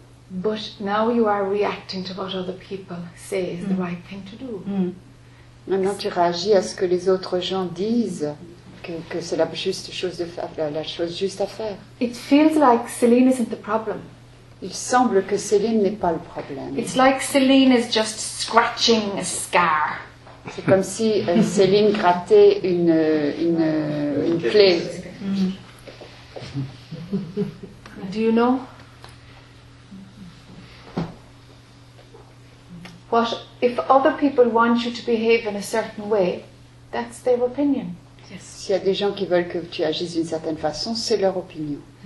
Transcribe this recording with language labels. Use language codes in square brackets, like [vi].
[en] But now you are reacting to what other people say is the right thing to do. [fr] Maintenant tu réagis à ce que les autres gens disent que c'est la juste chose de faire, la chose juste à faire. [en] It feels like Céline isn't the problem. [fr] Il semble que Céline n'est pas le problème. [en] It's like Céline is just scratching a scar. [fr] C'est comme si Céline grattait une plaie. [en] Do you know what if other people want you to behave in a certain way? That's their opinion. Yes. [fr] S'il y a des gens qui veulent que tu agisses d'une certaine façon, c'est leur opinion.